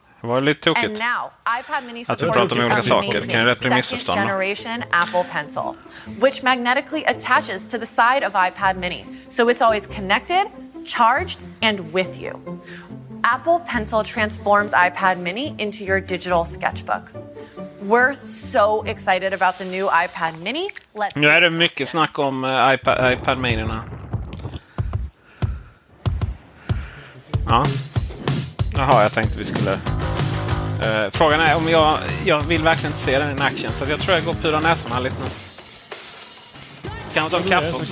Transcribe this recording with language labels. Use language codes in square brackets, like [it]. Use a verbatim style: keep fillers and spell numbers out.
[sv] Det var lite tokigt att du pratar om olika saker. Det kan ju rätt missförstånd. [en] Generation Apple Pencil, which magnetically attaches to the side of iPad Mini, so it's always connected, charged and with you. Apple Pencil transforms iPad Mini into your digital sketchbook. We're so excited about the new iPad Mini. Let's [sv] Nu är det mycket snack om uh, iPad, iPad Mini-erna. Ja. Jaha, jag tänkte vi skulle... Uh, frågan är om jag... Jag vill verkligen inte se den i action, så jag tror jag går pura näsan här lite nu. Kan jag ta en kaffe också?